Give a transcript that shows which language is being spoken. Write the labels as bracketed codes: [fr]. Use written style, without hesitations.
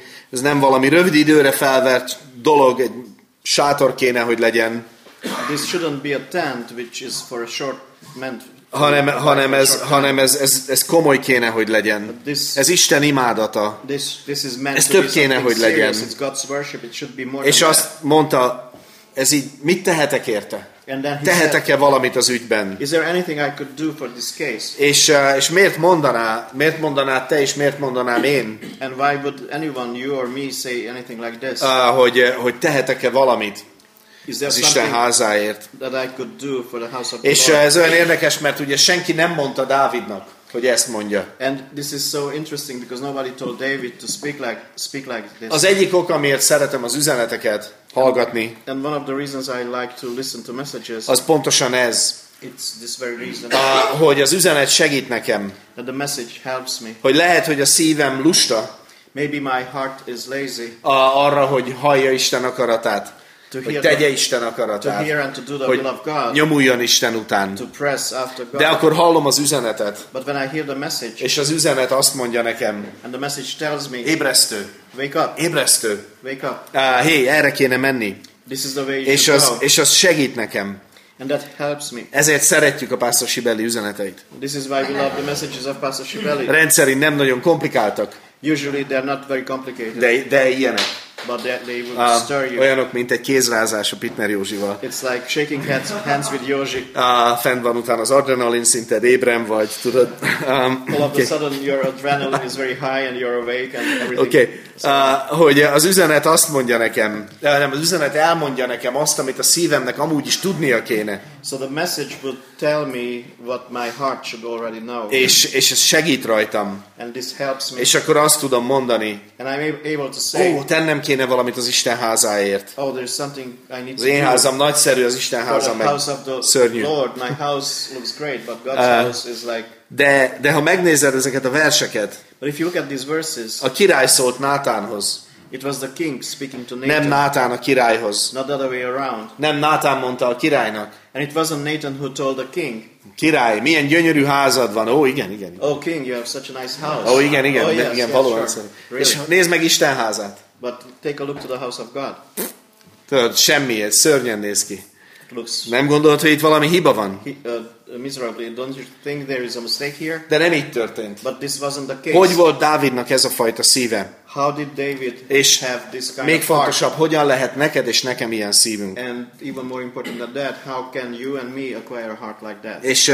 [hu] Ez nem valami rövid időre felvert dolog, egy sátor kéne, hogy legyen. [en] This shouldn't be a tent which is for a short meant. [hu] Hanem ez komoly kéne, hogy legyen. [en] This, [hu] ez Isten imádata. [en] This [hu] ez több kéne, hogy legyen. [en] It's God's worship. It should be more. [hu] És azt mondta, ez így, mit tehetek érte? Tehetek-e valamit az ügyben? [en] Is there anything I could do for this case? [hu] És miért mondaná te és miért mondanám én? [en] And why would anyone, you or me, say anything like this? [hu] Hogy tehetek-e valamit? Az Isten házáért. [en] That I could do for the house of [hu] és ez olyan érdekes, mert ugye senki nem mondta Dávidnak, hogy ezt mondja. [en] And this is so interesting because nobody told David to speak like this. [hu] Az egyik ok, amiért szeretem az üzeneteket hallgatni. [en] And one of the reasons I like to listen to messages. [hu] Az pontosan ez. [en] It's this very reason. [hu] Hogy az üzenet segít nekem. [en] That the message helps me. [hu] Hogy lehet, hogy a szívem lusta. [en] Maybe my heart is lazy. [hu] Arra, hogy hallja Isten akaratát. Hogy tegye Isten akaratát, hogy nyomuljon Isten után. De akkor hallom az üzenetet, és az üzenet azt mondja nekem, ébresztő, erre kéne menni, és az segít nekem. [en] And that helps me. [hu] Ezért szeretjük a Pásztor Sibeli üzeneteit. [en] This is why we love the messages of Pastor Sibeli. [hu] Rendszerint nem nagyon komplikáltak, [en] usually they're not very complicated. [hu] De ilyenek. [en] but they will stir you. [hu] Olyanok, mint egy kézrázás a Pitner Józsival. [en] It's like shaking hands with Józsi. [hu] Fent van utána az adrenalin, szinted ébren vagy, tudod. [en] All of a sudden your adrenaline is very high and you're awake and everything. Okay. [hu] Hogy az üzenet azt mondja nekem, nem, az üzenet elmondja nekem azt, amit a szívemnek amúgy is tudnia kéne. [en] So the message would tell me what my heart should already know. [hu] És ez segít rajtam. [en] And this helps me. [hu] És akkor azt tudom mondani. [en] And I'm able to say. [hu] Ó, tennem kéne valamit az Isten házáért. [en] Oh, there's something I need to do. [hu] Az én házam nagyszerű, az Isten háza meg szörnyű. [en] Lord, my house looks great, but God's house is like. [hu] De ha megnézed ezeket a verseket, [en] but if you look at these verses, [hu] a király szólt Nátánhoz. [en] It was the king speaking to Nathan. [hu] Nem Nátán a királyhoz. [en] Not the other way around. [hu] Nem Nátán mondta a királynak. [en] And it wasn't Nathan who told the king. [hu] Király, milyen gyönyörű házad van. Ó, igen, igen. [en] Oh king, you have such a nice house. [hu] Ó, igen, igen, [en] oh, yes, [hu] igen, valóban. [en] Yes, sure. Really? [hu] És nézd meg Isten házát. [en] But take a look to the house of God. [hu] Tudod, semmi, ez szörnyen néz ki. [en] It looks. [hu] Nem gondolod, hogy itt valami hiba van? [en] Miserably, don't you think there is a mistake here? [hu] De nem így történt. [en] But this wasn't the case. [hu] Hogy volt Dávidnak ez a fajta szíve? [en] How did David [hu] és [en] have this kind [hu] még [en] of [hu] fontosabb, [en] heart? [hu] Hogyan lehet neked és nekem ilyen szívünk? [en] And even more important than that, how can you and me acquire a heart like that?